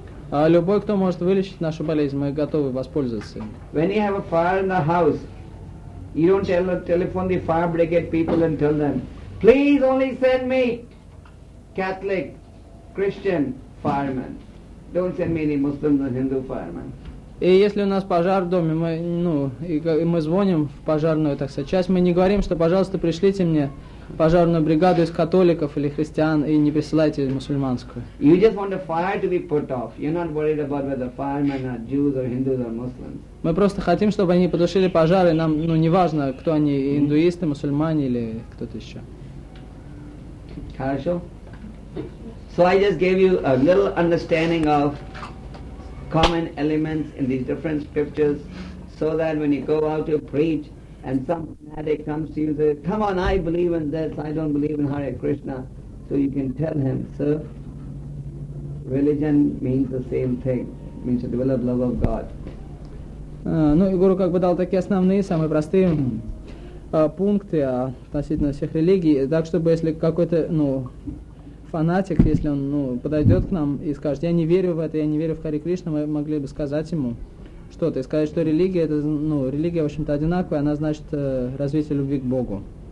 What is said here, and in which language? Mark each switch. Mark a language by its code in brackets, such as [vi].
[ru] Любой, кто может вылечить нашу болезнь, мы готовы воспользоваться. [en] When you have a fire in the house, you don't telephone the fire brigade people and tell them, please only send me Catholic, Christian firemen. Don't send me any Muslim or Hindu fireman. [ru] И если у нас пожар в доме, мы звоним в пожарную, так сказать, часть, мы не говорим, что, пожалуйста, пришлите мне пожарную бригаду из католиков или христиан и не присылайте мусульманскую. [en] You just want the fire to be put off. You're not worried about whether firemen are Jews or Hindus or Muslims. [ru] Мы просто хотим, чтобы они потушили пожар, и нам, не важно, кто они, индуисты, мусульмане или кто-то еще. Хорошо. [en] So I just gave you a little understanding of common elements in these different scriptures so that when you go out to preach and some fanatic comes to you and says, come on, I believe in this, I don't believe in Hare Krishna. So you can tell him, sir, religion means the same thing. It means to develop love of God. [ru] Guru как бы дал такие основные, самые простые пункты относительно всех религий, так чтобы если какой-то, фанатик, если он подойдет к нам и скажет, я не верю в это, я не верю в Харе Кришну, мы могли бы сказать ему что-то и сказать, что религия, это религия, в общем-то, одинаковая, она значит развитие любви к Богу.